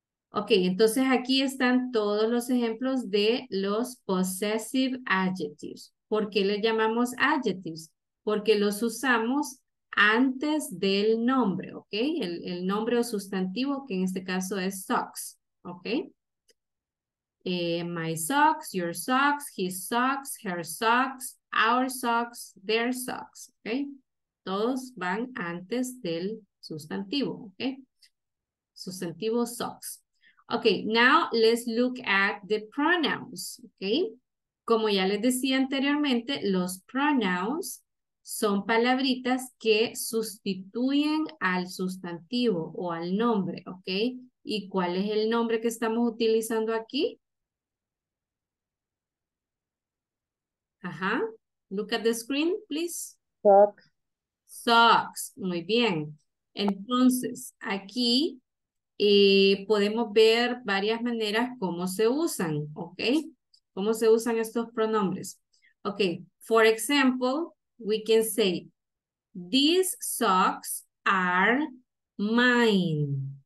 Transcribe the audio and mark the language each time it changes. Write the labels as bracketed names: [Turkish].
[Spanish] Ok, entonces aquí están todos los ejemplos de los possessive adjectives. ¿Por qué le llamamos adjectives? Porque los usamos antes del nombre, ok, el nombre o sustantivo, que en este caso es socks, ok. [English] My socks, your socks, his socks, her socks, our socks, their socks, ok. [Spanish] Todos van antes del sustantivo, ¿ok? [English] Sustantivo socks. Ok, now let's look at the pronouns, ¿ok? [Spanish] Como ya les decía anteriormente, los pronouns son palabritas que sustituyen al sustantivo o al nombre, ¿ok? ¿Y cuál es el nombre que estamos utilizando aquí? [English] Ajá, look at the screen, please. Socks. [Spanish] Socks, muy bien. Entonces, aquí podemos ver varias maneras cómo se usan, ¿ok? ¿Cómo se usan estos pronombres? [English] Ok, for example, we can say, these socks are mine.